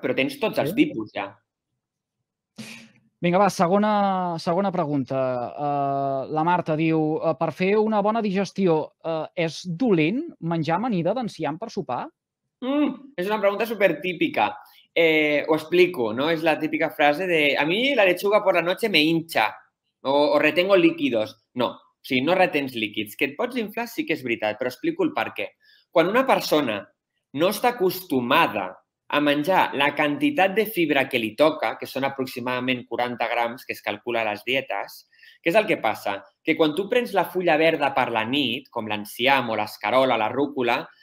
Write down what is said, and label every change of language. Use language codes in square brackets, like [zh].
[ca] Però tens tots els tipus, ja. Vinga, va, segona pregunta. La Marta diu, per fer una bona digestió, és dolent menjar amanida d'enciam per sopar? És una pregunta supertípica. Ho explico, no? És la típica frase de [es] a mi la lechuga por la noche me hincha o retengo líquidos. [ca] No, o sigui, no retens líquids. Que et pots inflar sí que és veritat, però explico el per què. Quan una persona no està acostumada a menjar la quantitat de fibra que li toca, que són aproximadament 40 grams, que es calcula a les dietes, què és el que passa? Que quan tu prens la fulla verda per la nit, com l'enciam o l'escarola, la rúcula,